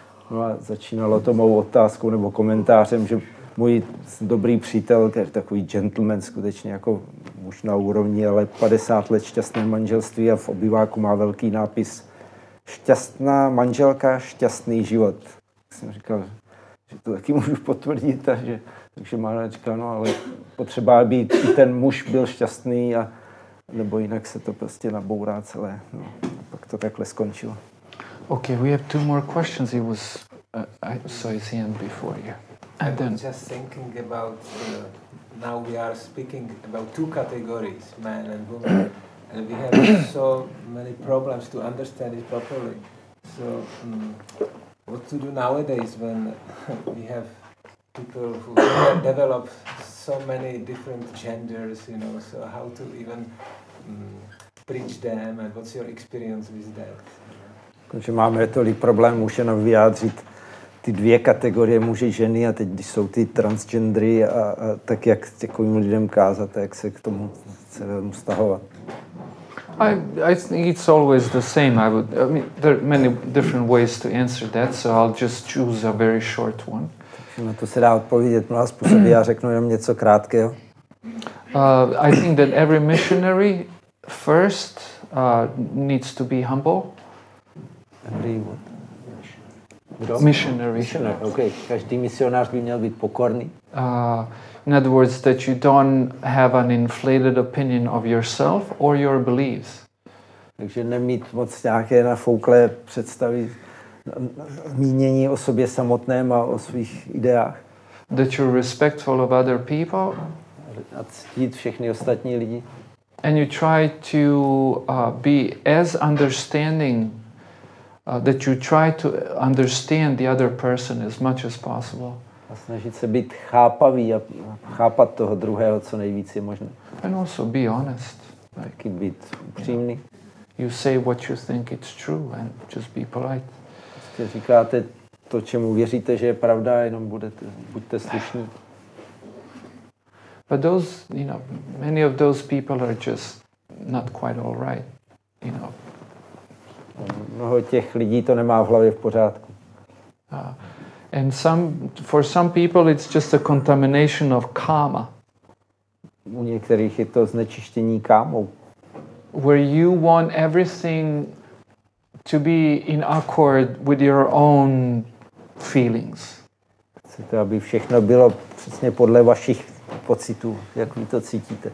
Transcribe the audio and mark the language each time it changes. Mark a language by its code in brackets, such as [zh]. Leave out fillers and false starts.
[cs] No a začínalo to mou otázkou nebo komentářem, že můj dobrý přítel, který je takový gentleman, skutečně jako muž na úrovni, ale 50 let šťastné manželství a v obýváku má velký nápis Šťastná manželka, šťastný život. Tak jsem říkal, že to taky můžu potvrdit. Takže má říká, no ale potřeba být i ten muž byl šťastný, a, nebo jinak se to prostě nabourá celé. No, a pak to takhle skončilo. [en] Okay, we have two more questions. He was I saw his hand before you. And then I was just thinking about now we are speaking about two categories, man and woman, and we have so many problems to understand it properly. So what to do nowadays when we have people who develop so many different genders, you know? So how to even bridge them, and what's your experience with that? [cs] Že máme tolik problémů, už jenom vyjádřit ty dvě kategorie muži, ženy a teď, když jsou ty transgendry a tak jak těkovým lidem kázat, jak se k tomu celému stahovat. [en] I think it's always the same. I mean, there are many different ways to answer that, so I'll just choose a very short one. [cs] No, to se dá odpovědět mnoha způsoby, já řeknu jenom něco krátkého. [en] I think that every missionary first needs to be humble. Missionary. [cs] Okay, každý misionář by měl být pokorný. [en] In other words, that you don't have an inflated opinion of yourself or your beliefs. [cs] Takže nemít moc nějaké nafouklé představy, mínění o sobě samotném a o svých ideách. [en] That you're respectful of other people. [cs] A ctít všechny ostatní lidi. [en] And you try to be as understanding. That you try to understand the other person as much as possible. [cs] A snažit se být chápavý a chápat toho druhého, co nejvíc je možné. [en] And also be honest. [cs] Taky být upřímný. [en] You say what you think it's true and just be polite. [cs] Prostě říkáte to, čemu věříte, že je pravda, jenom buďte slušní. [en] But those, you know, many of those people are just not quite all right, you know. [cs] Mnoho těch lidí to nemá v hlavě v pořádku. [en] And for some people it's just a contamination of karma. [cs] U některých je to znečištění kámou. [en] Where you want everything to be in accord with your own feelings. [cs] Chcete, aby všechno bylo přesně podle vašich pocitů, jak vy to cítíte.